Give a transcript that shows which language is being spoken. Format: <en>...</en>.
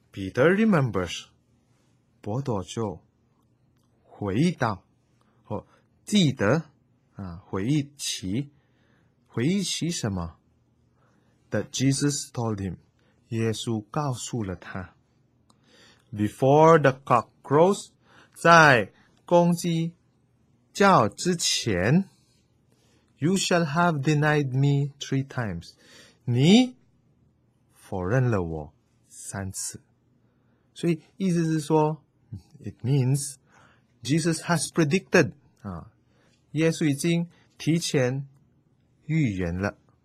<en>Peter remembers,</en> <zh>伯多就回忆到或记得回忆起什么 ?</zh> <en>That Jesus told him,</en> <zh>耶稣告诉了他。</zh> <en>Before the cock crows,</en> <zh>在公鸡叫之前</zh> <en>,You shall have denied me three times.</en> <zh>你否认了我三次。所以意思是说 ,</zh> <en>It means,Jesus has predicted,</en> <zh>耶稣已经提前预言了。</zh>